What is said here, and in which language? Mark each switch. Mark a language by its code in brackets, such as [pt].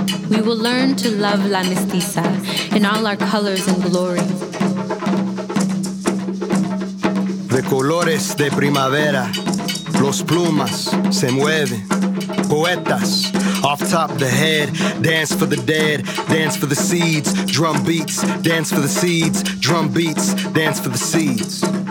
[en] we will learn to love La Mestiza in all our colors and glory. [es] De colores de primavera, los plumas se mueven. [en] Poetas, off top the head, dance for the dead, dance for the seeds, drum beats, dance for the seeds, drum beats, dance for the seeds.